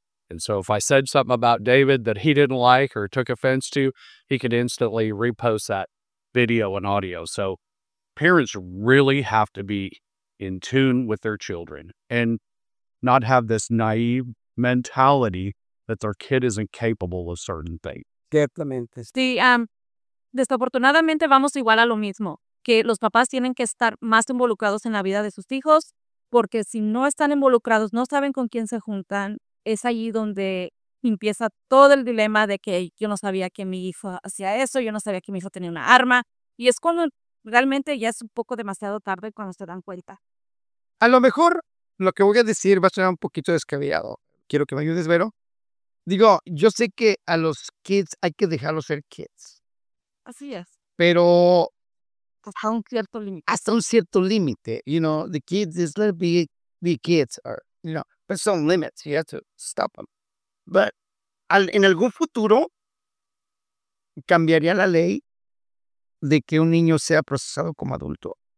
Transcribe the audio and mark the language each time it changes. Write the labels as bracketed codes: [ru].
[en] And so if I said something about David that he didn't like or took offense to, he could instantly repost that video and audio. So parents really have to be in tune with their children and not have this naive mentality that their kid isn't capable of certain things. Definitely. [es] Sí, desafortunadamente vamos igual a lo mismo, que los papás tienen que estar más involucrados en la vida de sus hijos, porque si no están involucrados, no saben con quién se juntan, es allí donde empieza todo el dilema de que yo no sabía que mi hijo hacía eso, yo no sabía que mi hijo tenía una arma, y es cuando realmente ya es un poco demasiado tarde cuando se dan cuenta. A lo mejor lo que voy a decir va a ser un poquito descabellado. Quiero que me ayudes, Vero. Digo, yo sé que a los [en] kids [es] hay que dejarlos ser kids. Así es. Pero hasta un cierto límite. Hasta un cierto límite. [en] You know, the kids is let be kids. Or, you know, but some limits. You have to stop them. But en algún futuro, ¿cambiaría la ley de que un niño sea procesado como adulto?